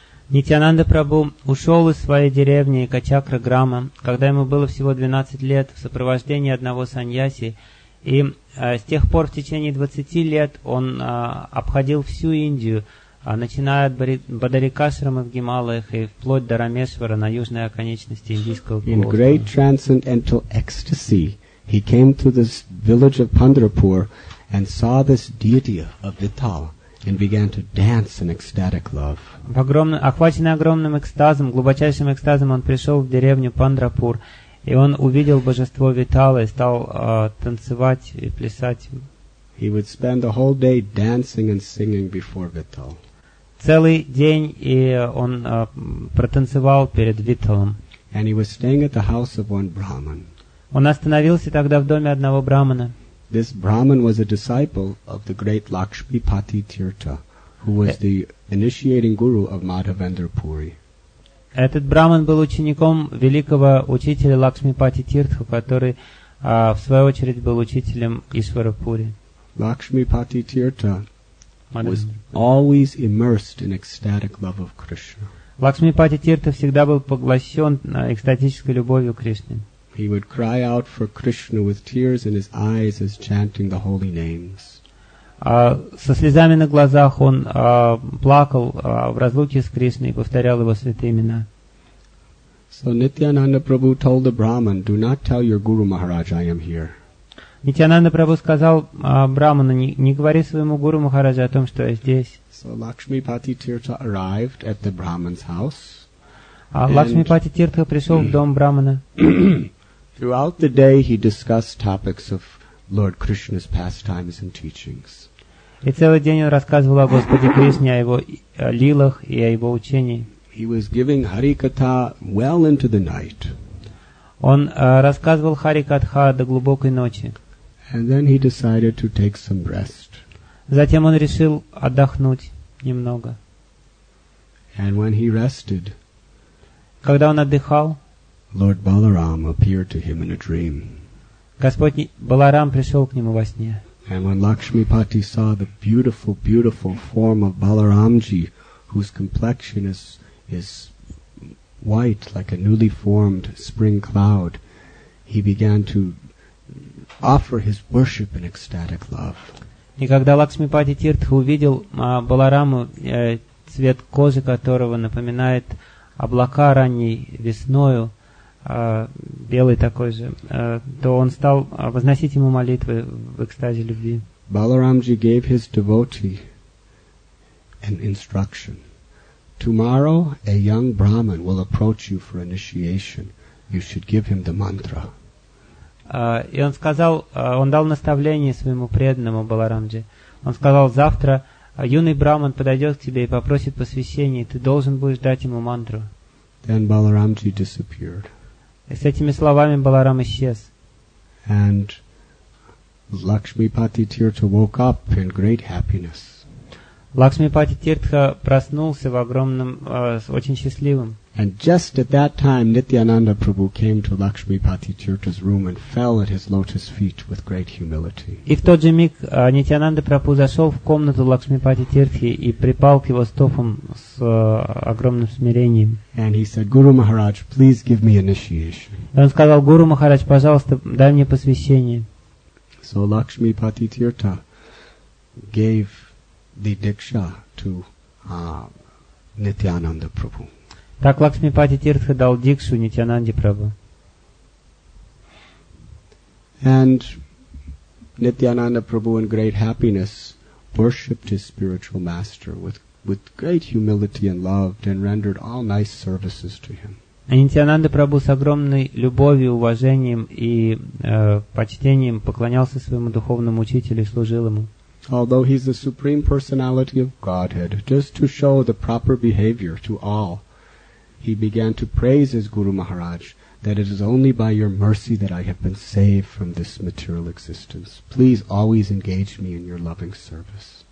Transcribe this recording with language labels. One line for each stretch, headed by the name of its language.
Russian: Нитянанда Прабху ушел из своей деревни Качакра Грама, когда ему было всего 12 лет, в сопровождении одного саньяси, и с тех пор в течение 20 лет он обходил всю Индию, начиная от Бадарикашрама в Гималаях и вплоть до Рамешвара на южной оконечности индийского полуострова.
English: In great transcendental ecstasy, he came to this village of Pandharpur and saw this deity of Vittal. And began to dance in ecstatic love.
Russian: Охваченный огромным экстазом, глубочайшим экстазом, он пришел в деревню Пандрапур, и он увидел божество Витала и стал танцевать и плясать.
English: He would spend the whole day dancing and singing before Vittal.
Russian: Целый день и он протанцевал перед Виталом.
English: And he was staying at the house of one Brahman.
Russian: Он остановился тогда в доме одного брахмана.
English: This Brahman was a disciple of the great Lakshmipati Tirtha, who was the initiating guru of Madhavendra Puri.
Russian: Этот браман был учеником великого учителя Лакшмипати Тиртху, который в свою очередь был учителем Ишвара Пури.
English: Лакшмипати Тиртха was always immersed in ecstatic love of Krishna.
Russian: Лакшмипати Тиртха всегда был поглощен экстатической любовью к Кришне.
English: He would cry out for Krishna with tears in his eyes as chanting the holy names.
Russian: Со слезами на глазах он плакал в разлуке с Кришной и повторял его святые имена.
English: So Nityananda Prabhu told the Brahman, "Do not tell your Guru Maharaj I am here."
Russian: Nityananda Prabhu сказал Браману, не говори своему Гуру Махараджу о том, что я здесь.
English: So Lakshmipati Tirtha arrived at the Brahman's house.
Russian: Lakshmipati Tirtha пришел в дом Брамана.
English: Throughout the day he discussed topics of Lord Krishna's pastimes and teachings.
Russian: И целый день он рассказывал о Господе Кришне, о его лилах и о его учении.
English: He was giving Харикатха well into the night.
Russian: Он рассказывал Харикатха до глубокой ночи.
English: And then he decided to take some rest.
Russian: Затем он решил отдохнуть немного.
English: And when he rested,
Russian: когда он отдыхал,
English: Lord Balaram appeared to him in a dream.
Russian: Господь Баларам пришел к нему во сне.
English: And when Lakshmipati saw the beautiful, beautiful form of Balaramji, whose complexion is white like a newly formed spring cloud, he began to offer his worship in ecstatic love.
Russian: И когда Лакшмипати Тиртха увидел Балараму, цвет кожи которого напоминает облака ранней весною, белый такой же, то он стал возносить ему молитвы в экстазе любви.
English: Balaramji gave his devotee an instruction. Tomorrow a young Brahman will approach you for initiation. You should give him the mantra.
Russian: И он сказал, он дал наставление своему преданному Баларамджи. Он сказал, завтра юный Брахман подойдет к тебе и попросит посвящения, и ты должен будешь дать ему мантру.
English: Then Balaramji disappeared.
Russian: И с этими словами Баларам исчез.
English: And Lakshmipati Tirtha woke up in great happiness.
Russian: Лакшмипати Тиртха проснулся в огромном, очень счастливым.
English: And just at that time, Nityananda Prabhu came to Lakshmipati Tirtha's room and fell at his lotus feet with great humility.
Russian: И в тот же миг Нитьянанда Прабху зашел в комнату Лакшмипати Тиртхи и припал к его стопам с огромным смирением.
English: And he said, "Guru Maharaj, please give me initiation."
Russian: И он сказал, Гуру Махарадж, пожалуйста, дай мне посвящение.
English: So Lakshmipati Tirtha gave the diksha to Nityananda Prabhu.
Russian: Так Лакшмипати Тиртха дал дикшу Нитьянанде Прабху.
English: And Nityananda Prabhu in great happiness worshipped his spiritual master with great humility and love and rendered all nice services to him.
Russian: Нитьянанда Прабху с огромной любовью, уважением и почтением поклонялся своему духовному учителю и служил ему.
English: Although he's the supreme personality of Godhead, just to show the proper behavior to all, he began to praise his Guru Maharaj, that it is only by your mercy that I have been saved from this material existence. Please always engage me in your loving service.